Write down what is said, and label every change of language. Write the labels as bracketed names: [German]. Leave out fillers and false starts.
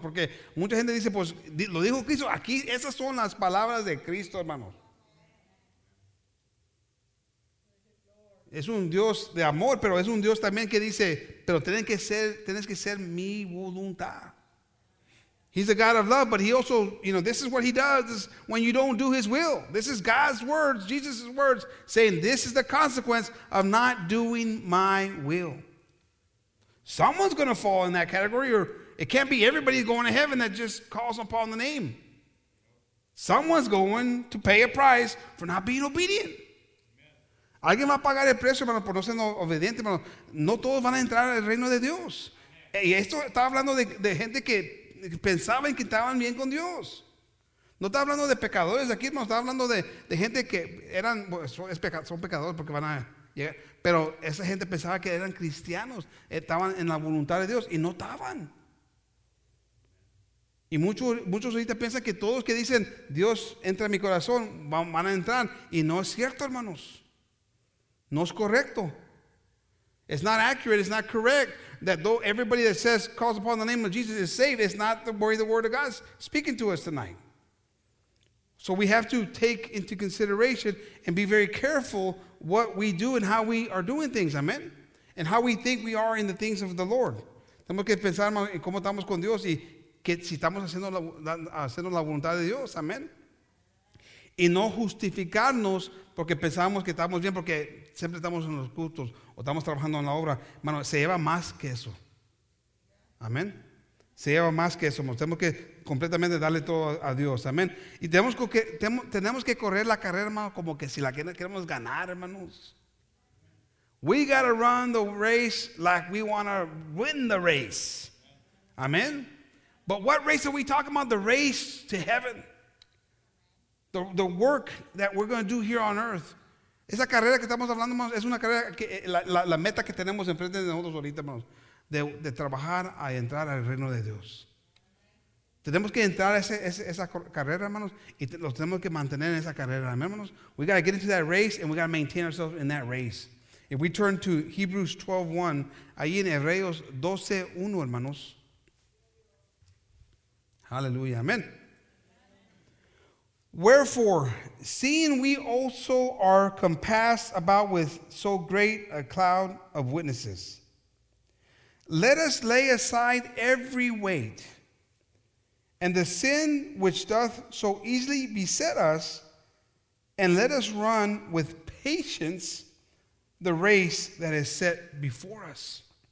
[Spanish] Porque mucha gente dice, pues, lo dijo Cristo. Aquí, esas son las palabras de Cristo, hermanos. Es un Dios de amor, pero es un Dios también que dice, pero tienes que ser mi voluntad. [English] He's a God of love, but he also, you know, this is what he does when you don't do his will. This is God's words, Jesus' words, saying this is the consequence of not doing my will. Someone's going to fall in that category, or it can't be everybody going to heaven that just calls upon the name. Someone's going to pay a price for not being obedient. [Spanish] Alguien va a pagar el precio, hermano, por no ser obediente, hermano. No todos van a entrar al reino de Dios. Y esto está hablando de gente que pensaban que estaban bien con Dios. No está hablando de pecadores aquí, hermano. Está hablando de gente que eran, son pecadores porque van a llegar. Pero esa gente pensaba que eran cristianos. Estaban en la voluntad de Dios y no estaban. Y muchos ahorita piensan que todos que dicen Dios entra en mi corazón van a entrar. Y no es cierto, hermanos. No es correcto. [English] It's not accurate. It's not correct that though everybody that says calls upon the name of Jesus is saved, it's not the way the word of God is speaking to us tonight. So we have to take into consideration and be very careful what we do and how we are doing things. Amen. And how we think we are in the things of the Lord. [Spanish] Tenemos que pensar en cómo estamos con Dios y que si estamos haciendo la voluntad de Dios. Amen. Y no justificarnos porque pensamos que estamos bien, porque siempre estamos en los cultos o estamos trabajando en la obra. Hermano, se lleva más que eso. Amén. Se lleva más que eso. Tenemos que completamente darle todo a Dios. Amén. Y tenemos que correr la carrera, hermano, como que si la queremos ganar, hermanos. [English] We got to run the race like we want to win the race. Amén. But what race are we talking about? The race to heaven. The work that we're going to do here on earth. [Spanish] Esa carrera que estamos hablando, hermanos, es una carrera, que la meta que tenemos enfrente de nosotros ahorita, hermanos, de trabajar a entrar al reino de Dios. Tenemos que entrar a esa carrera, hermanos, y los tenemos que mantener en esa carrera, hermanos. [English] We got to get into that race, and we got to maintain ourselves in that race. If we turn to Hebrews 12:1, [Spanish] ahí en Hebreos 12:1, hermanos. Hallelujah, amen. [English] Wherefore, seeing we also are compassed about with so great a cloud of witnesses, let us lay aside every weight and the sin which doth so easily beset us, and let us run with patience the race that is set before us,